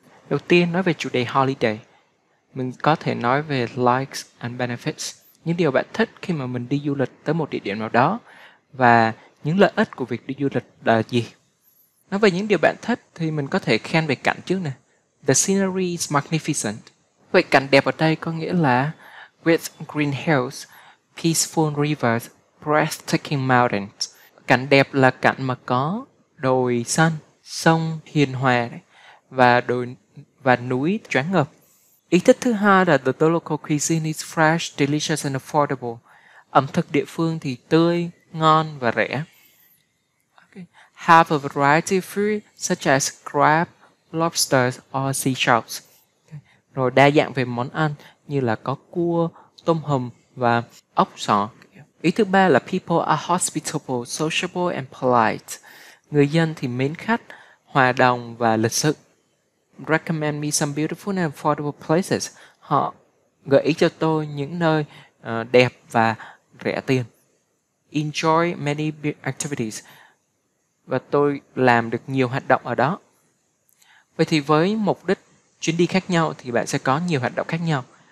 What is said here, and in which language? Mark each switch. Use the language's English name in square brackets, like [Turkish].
[Vietnamese] Đầu tiên nói về chủ đề holiday, mình có thể nói về [English] likes and benefits, [Vietnamese] những điều bạn thích khi mà mình đi du lịch tới một địa điểm nào đó và những lợi ích của việc đi du lịch là gì. Nói về những điều bạn thích thì mình có thể khen về cảnh trước nè. [English] The scenery is magnificent. [Vietnamese] Vậy cảnh đẹp ở đây có nghĩa là [English] with green hills, peaceful rivers, breathtaking mountains. [Vietnamese] Cảnh đẹp là cảnh mà có đồi xanh, sông hiền hòa và đồi và núi choáng ngợp. Ý thích thứ hai là [English] the local cuisine is fresh, delicious and affordable. [Vietnamese] Ẩm thực địa phương thì tươi, ngon và rẻ. Okay. [English] Have a variety of food such as crab, lobsters or sea shells. Okay. [Vietnamese] Rồi đa dạng về món ăn như là có cua, tôm hùm và ốc sò. Ý thứ ba là [English] people are hospitable, sociable and polite. [Vietnamese] Người dân thì mến khách, hòa đồng và lịch sự. [English] Recommend me some beautiful and affordable places. [Vietnamese] Họ gợi ý cho tôi những nơi đẹp và rẻ tiền. [English] Enjoy many activities. [Vietnamese] Và tôi làm được nhiều hoạt động ở đó. Vậy thì với mục đích chuyến đi khác nhau thì bạn sẽ có nhiều hoạt động khác nhau.